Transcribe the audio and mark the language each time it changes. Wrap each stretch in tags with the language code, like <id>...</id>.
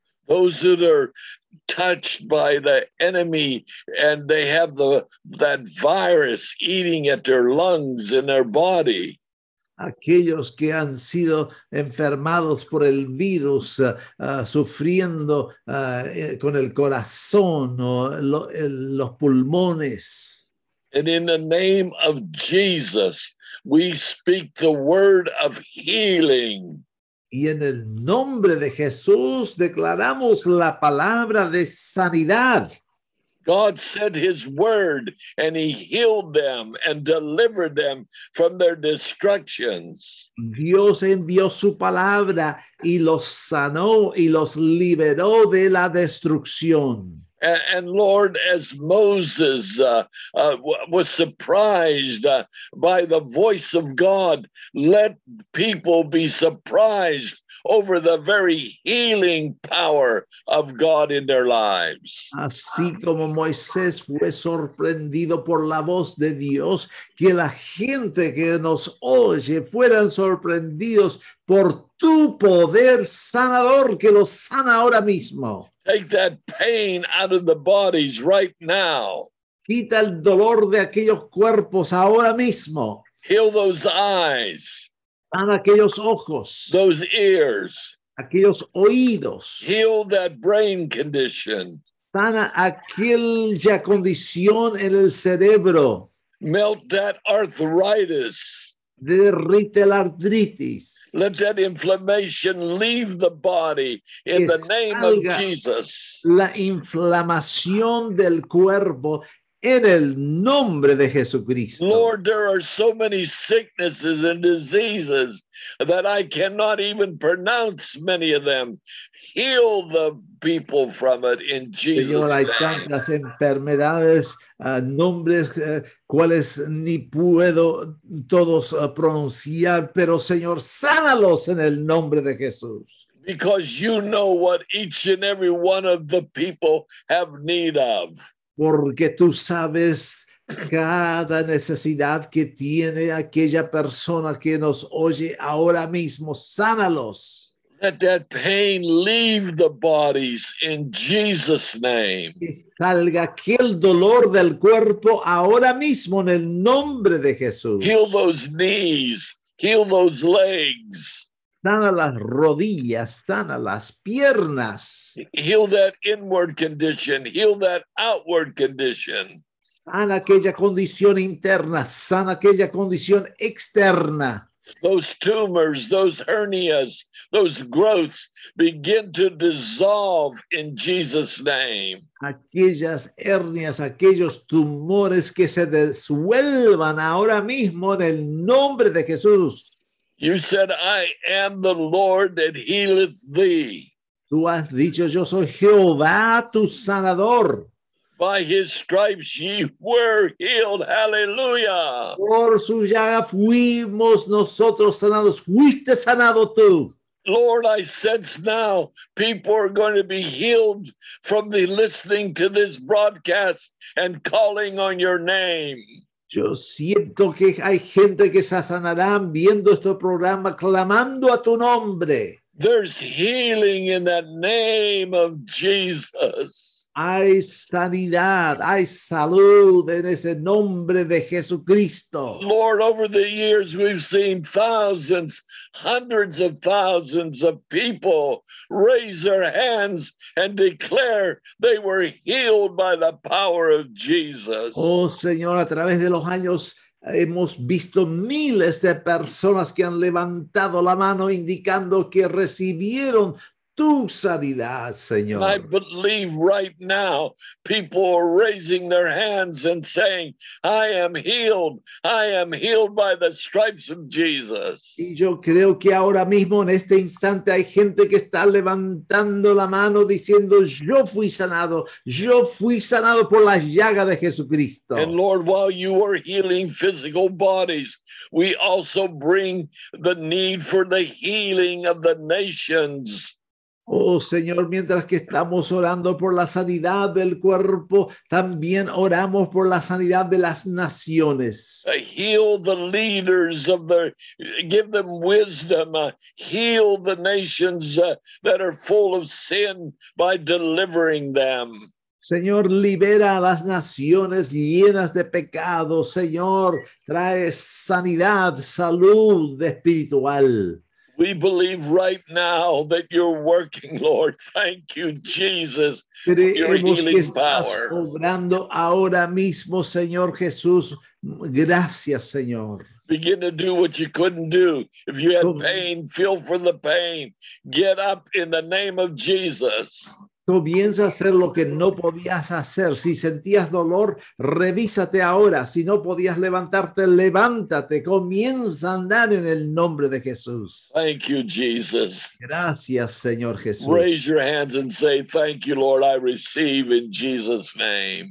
<en>Those that are touched by the enemy and they have that virus eating at their lungs and their body.</en> <es>Aquellos que han sido enfermados por el virus, sufriendo con el corazón o los pulmones.</es> <en>And in the name of Jesus, we speak the word of healing.</en> <es>Y en el nombre de Jesús declaramos la palabra de sanidad.</es> <en>God said his word and he healed them and delivered them from their destructions.</en> <es>Dios envió su palabra y los sanó y los liberó de la destrucción.</es> <en>And Lord, as Moses was surprised by the voice of God, let people be surprised over the very healing power of God in their lives.</en> <es>Así como Moisés fue sorprendido por la voz de Dios, que la gente que nos oye fueran sorprendidos por tu poder sanador que los sana ahora mismo.</es> <en>Take that pain out of the bodies right now.</en> <es>Quita el dolor de aquellos cuerpos ahora mismo.</es> <en>Heal those eyes.</en> <es>Sana aquellos ojos.</es> <en>Those ears.</en> <es>Aquellos oídos.</es> <en>Heal that brain condition.</en> <es>Sana aquella condición en el cerebro.</es> <en>Melt that arthritis.</en> <es>Derrite la artritis.</es> <en>Let that inflammation leave the body in the name of Jesus.</en> <es>La inflamación del cuerpo en el nombre de Jesucristo.</es> <en>Lord, there are so many sicknesses and diseases that I cannot even pronounce many of them. Heal the people from it in Jesus' name.</en> <es>Señor, hay tantas enfermedades, nombres cuales ni puedo todos pronunciar, pero Señor, sánalos en el nombre de Jesús.</es> <en>Because you know what each and every one of the people have need of.</en> <es>Porque tú sabes cada necesidad que tiene aquella persona que nos oye ahora mismo. Sánalos.</es> <en>Let that pain leave the bodies in Jesus' name.</en> <es>Que salga aquel dolor del cuerpo ahora mismo en el nombre de Jesús.</es> <en>Heal those knees. Heal those legs.</en> <es>Sana las rodillas, sana las piernas.</es> <en>Heal that inward condition, heal that outward condition.</en> <es>Sana aquella condición interna, sana aquella condición externa.</es> <en>Those tumors, those hernias, those growths begin to dissolve in Jesus' name.</en> <es>Aquellas hernias, aquellos tumores que se disuelvan ahora mismo en el nombre de Jesús.</es> <en>You said, I am the Lord that healeth thee.</en> <es>Tú has dicho, yo soy Jehová, tu sanador.</es> <en>By his stripes ye were healed. Hallelujah.</en> <es>Por su llaga fuimos nosotros sanados. Fuiste sanado tú.</es> <en>Lord, I sense now people are going to be healed from the listening to this broadcast and calling on your name.</en> <es>Yo siento que hay gente que se sanarán viendo este programa, clamando a tu nombre.</es> <en>There's healing in the name of Jesus.</en> <es>Hay sanidad, hay salud en ese nombre de Jesucristo.</es> <en>Lord, over the years we've seen thousands, hundreds of thousands of people raise their hands and declare they were healed by the power of Jesus.</en> <es>Oh, Señor, a través de los años hemos visto miles de personas que han levantado la mano indicando que recibieron tu sanidad, Señor.</es> <en>I believe right now people are raising their hands and saying, I am healed. I am healed by the stripes of Jesus.</en> <es>Y yo creo que ahora mismo, en este instante, hay gente que está levantando la mano diciendo, yo fui sanado. Yo fui sanado por las llagas de Jesucristo.</es> <en>And Lord, while you are healing physical bodies, we also bring the need for the healing of the nations.</en> <es>Oh, Señor, mientras que estamos orando por la sanidad del cuerpo, también oramos por la sanidad de las naciones.</es> <en>Heal the leaders of the, give them wisdom. Heal the nations that are full of sin by delivering them.</en> <es>Señor, libera a las naciones llenas de pecado. Señor, trae sanidad, salud espiritual.</es> <en>We believe right now that you're working, Lord. Thank you, Jesus, for your healing power.</en> <es>Estás obrando ahora mismo, Señor Jesús. Gracias, Señor.</es> <en>Begin to do what you couldn't do. If you had pain, feel for the pain. Get up in the name of Jesus.</en> <es>Comienza a hacer lo que no podías hacer. Si sentías dolor, revísate ahora. Si no podías levantarte, levántate. Comienza a andar en el nombre de Jesús.</es> <en>Thank you, Jesus.</en> <es>Gracias, Señor Jesús.</es> <en>Raise your hands and say, thank you, Lord, I receive in Jesus' name.</en>